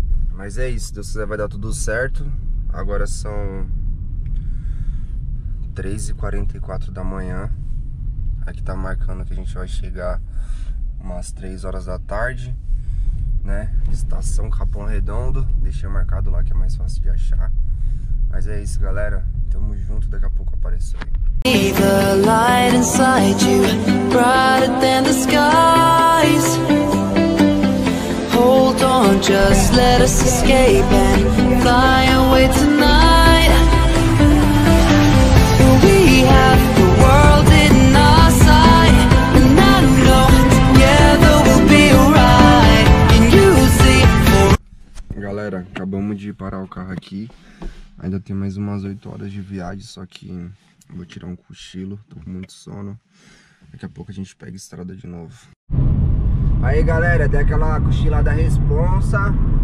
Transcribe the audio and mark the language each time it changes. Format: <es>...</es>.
<pt>Mas é isso, se Deus quiser, vai dar tudo certo. Agora são 3h44 da manhã. Aqui tá marcando que a gente vai chegar umas 3 horas da tarde, né? Estação Capão Redondo. Deixei marcado lá que é mais fácil de achar. Mas é isso, galera. Tamo junto, daqui a pouco apareceu.</pt> <en>The light inside you, brighter than the skies. Hold on, just let us escape and fly away tonight. We have the world in our sight. And I know together we'll be alright. Can you see?</en> <pt>Galera, acabamos de parar o carro aqui. Ainda tem mais umas 8 horas de viagem, só que vou tirar um cochilo, tô com muito sono. Daqui a pouco a gente pega a estrada de novo. Aí galera, dei aquela cochilada responsa.</pt>